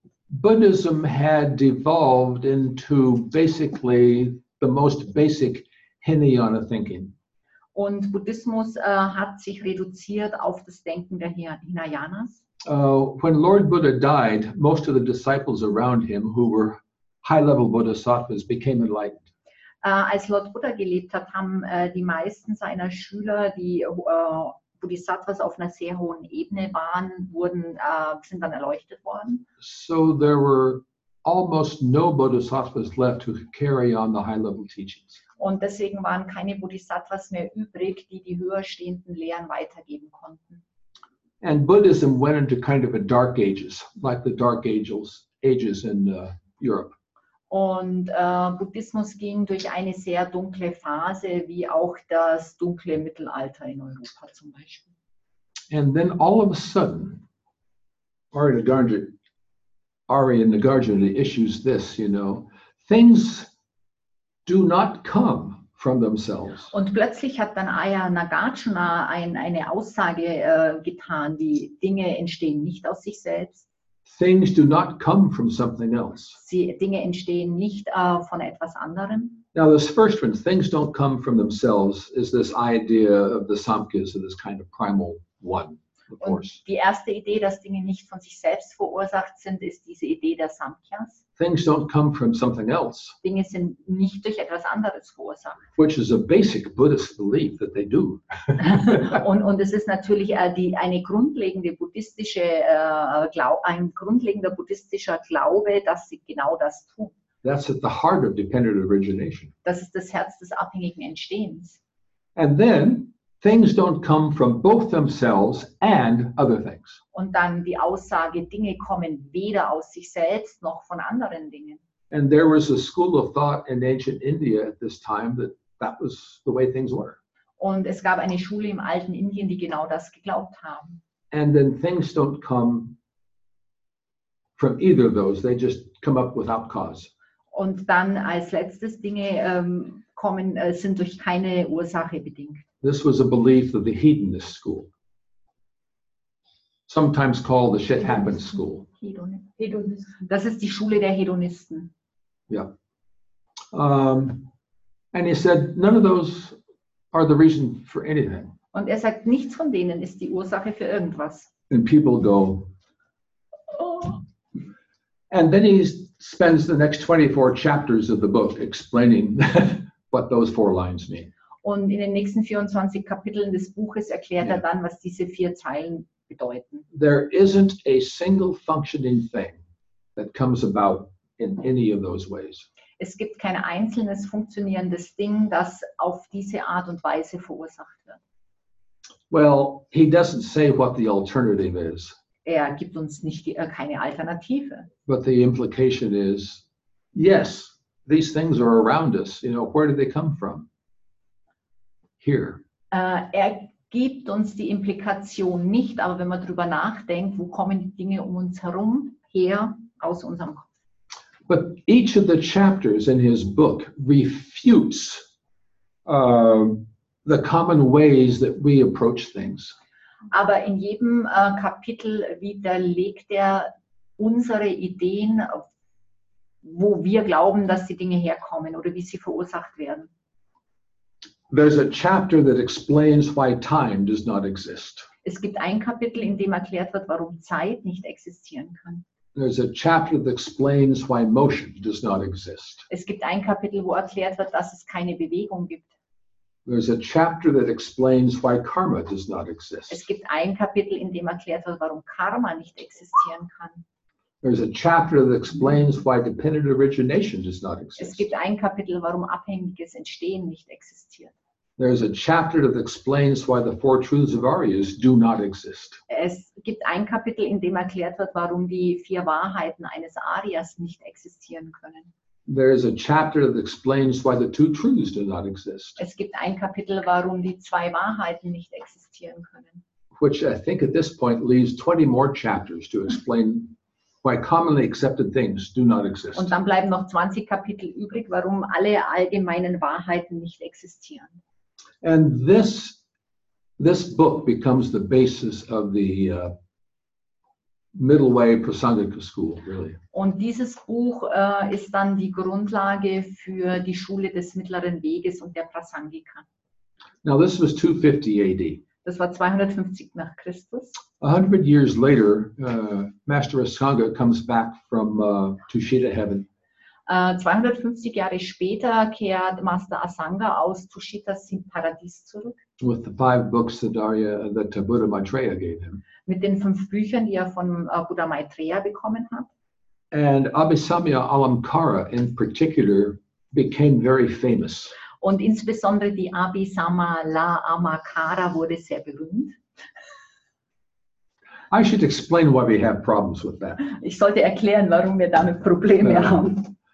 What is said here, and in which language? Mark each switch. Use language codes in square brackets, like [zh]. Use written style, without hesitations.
[en] Buddhism had devolved into basically the most basic Hinayana thinking. [de] Und Buddhismus hat sich reduziert auf das Denken der Hinayanas. [en] When Lord Buddha died, most of the disciples around him who were high-level bodhisattvas became enlightened. [de] Als Lord Buddha gelebt hat, haben die meisten seiner Schüler, die Bodhisattvas auf einer sehr hohen Ebene waren, sind dann erleuchtet worden. [en] So there were almost no Bodhisattvas left to carry on the high-level teachings. [de] Und deswegen waren keine Bodhisattvas mehr übrig, die die höher stehenden Lehren weitergeben konnten. [en] And Buddhism went into kind of a dark ages, like the dark ages in Europe. [de] Und Buddhismus ging durch eine sehr dunkle Phase, wie auch das dunkle Mittelalter in Europa zum Beispiel. [en] And then all of a sudden, Aryanagarjuna issues this, you know, things do not come from themselves. [de] Und plötzlich hat dann Aryanagarjuna eine Aussage getan, die Dinge entstehen nicht aus sich selbst. [en] Things do not come from something else. [de] Dinge entstehen nicht von etwas anderem. [en] Now this first one, things don't come from themselves, is this idea of the Samkhya, so this kind of primal one, of course. [de] Und die erste Idee, dass Dinge nicht von sich selbst verursacht sind, ist diese Idee der Samkhyas. [en] Things don't come from something else. [de] Dinge sind nicht durch etwas anderes verursacht. [en] Which is a basic Buddhist belief that they do. [de] und es ist natürlich ein grundlegender buddhistischer Glaube, dass sie genau das tun. [en] That's at the heart of dependent origination. [de] Das ist das Herz des abhängigen Entstehens. [en] And then things don't come from both themselves and other things. [de] Und dann die Aussage, Dinge kommen weder aus sich selbst noch von anderen Dingen. [en] And there was a school of thought in ancient India at this time that that was the way things were. [de] Und es gab eine Schule im alten Indien, die genau das geglaubt haben. [en] And then things don't come from either of those. They just come up without cause. [de] Und dann als letztes Dinge kommen, sind durch keine Ursache bedingt. [en] This was a belief of the hedonist school, sometimes called the shit happens school. [de] Das ist die Schule der Hedonisten. [en] Yeah. And he said, none of those are the reason for anything. [de] Und er sagt, nichts von denen ist die Ursache für irgendwas. [en] And people go, oh. And then he spends the next 24 chapters of the book explaining what those four lines mean. [de] Und in den nächsten 24 Kapiteln des Buches erklärt er dann, was diese vier Zeilen bedeuten. [en] There isn't a single functioning thing that comes about in any of those ways. [de] Es gibt kein einzelnes funktionierendes Ding, das auf diese Art und Weise verursacht wird. [en] Well, he doesn't say what the alternative is. [de] Er gibt uns nicht keine Alternative. [en] But the implication is, yes, these things are around us. You know, where do they come from? Here. [de] Er gibt uns die Implikation nicht, aber wenn man darüber nachdenkt, wo kommen die Dinge um uns herum her, aus unserem Kopf. [en] But each of the chapters in his book refutes the common ways that we approach things. [de] Aber in jedem Kapitel widerlegt er unsere Ideen, wo wir glauben, dass die Dinge herkommen oder wie sie verursacht werden. [en] There's a chapter that explains why time does not exist. [de] Es gibt ein Kapitel, in dem erklärt wird, warum Zeit nicht existieren kann. [en] There's a chapter that explains why motion does not exist. [de] Es gibt ein Kapitel, wo erklärt wird, dass es keine Bewegung gibt. [en] There's a chapter that explains why karma does not exist. [de] Es gibt ein Kapitel, in dem erklärt wird, warum Karma nicht existieren kann. [en] There's a chapter that explains why dependent origination does not exist. [de] Es gibt ein Kapitel, warum abhängiges Entstehen nicht existiert. [en] There's a chapter that explains why the four truths of Aryas do not exist. [de] Es gibt ein Kapitel, in dem erklärt wird, warum die vier Wahrheiten eines Aryas nicht existieren können. [en] There is a chapter that explains why the two truths do not exist. [de] Es gibt ein Kapitel, warum die zwei Wahrheiten nicht existieren können. [en] Which I think at this point leaves 20 more chapters to explain why commonly accepted things do not exist. [de] Und dann bleiben noch 20 Kapitel übrig, warum alle allgemeinen Wahrheiten nicht existieren. [en] And this book becomes the basis of the middle way Prasangika school, really. [de] Und dieses Buch ist dann die Grundlage für die Schule des mittleren Weges und der Prasangika. [en] Now this was 250 AD. [de] Das war 250 nach Christus. [en] 100 years later, Master Asanga comes back from Tushita heaven. [de] 250 Jahre später kehrt Master Asanga aus Tushitas Paradies zurück. [en] With the five books that Buddha Maitreya gave him. [de] Mit den fünf Büchern, die er von Buddha Maitreya bekommen hat. [en] And Abhisamya Alamkara in particular became very famous. [de] Und insbesondere die Abhisamala-Amakara wurde sehr berühmt. [en] I should explain why we have problems with that. [de] Ich sollte erklären, warum wir damit Probleme haben.